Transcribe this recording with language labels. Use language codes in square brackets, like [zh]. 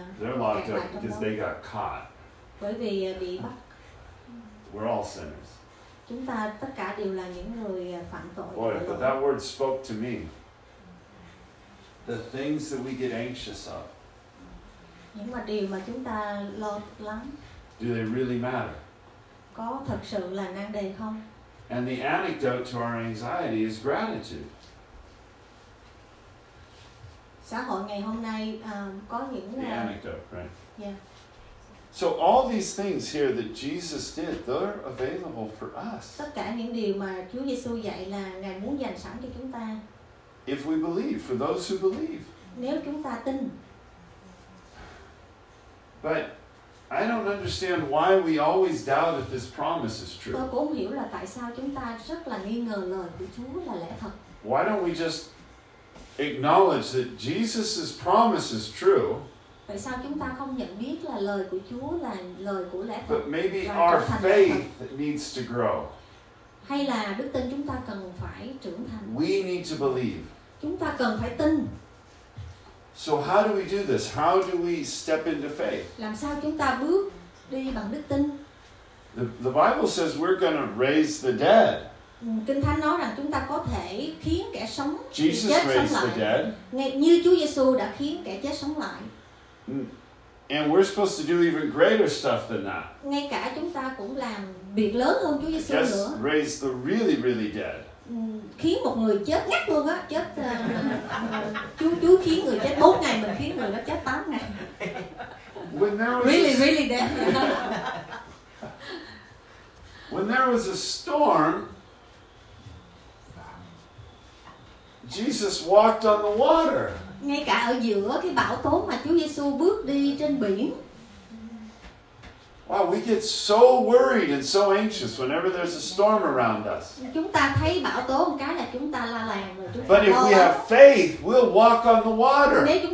[en] they're locked up because they got caught. [vi] Bởi vì bị bắt. [en] We're all sinners. [vi] Chúng ta tất cả đều là những người phạm tội. [en] Boy, but that word spoke to me. The things that we get anxious of. [vi] Những mà điều mà chúng ta lo lắng. [en] Do they really matter? [vi] Có thật sự là nan đề không? [en] And the antidote to our anxiety is gratitude. [vi] Xã hội ngày hôm nay có những [en] the anecdote, right? Yeah. So all these things here that Jesus did, they're available for us. [vi] Tất cả những điều mà Chúa Giêsu dạy là Ngài muốn dành sẵn cho chúng ta. [en] If we believe, for those who believe. [vi] Nếu chúng ta tin. [en] But I don't understand why we always doubt if this promise is true. [vi] Tôi cũng hiểu là tại sao chúng ta rất là nghi ngờ lời của Chúa là lẽ thật. [en] Why don't we just acknowledge that Jesus' promise is true. [vi] Tại sao chúng ta không nhận biết là lời của Chúa là lời của lẽ thật? [en] But maybe our faith needs to grow. [vi] Hay là đức tin chúng ta cần phải trưởng thành. [en] We need to believe. [vi] Chúng ta cần phải tin. [en] So how do we do this? How do we step into faith? [vi] Làm sao chúng ta bước đi bằng đức tin? [en] The Bible says we're going to raise the dead. [vi] Kinh Thánh nói rằng chúng ta có thể khiến kẻ sống [en] Jesus [vi] chết sống lại. [en] The dead. [vi] Như Chúa Giêsu đã khiến kẻ chết sống lại. [en] And we're supposed to do even greater stuff than that. [vi] Ngay cả chúng ta cũng làm việc lớn hơn Chúa Giêsu nữa. [en] Raise the really really dead. [vi] Khiến một người chết ngắt luôn á, chết Chúa khiến người chết 4 ngày, mình khiến người đó chết 8 ngày. [en] When there was really really dead. When there was a storm, Jesus walked on the water. [vi] Ngay cả ở giữa cái bão tố mà Chúa Giêsu bước đi trên biển. [en] Wow, Wow, we get so worried and so anxious whenever there's a storm around us. But if we have faith, we'll walk on the water.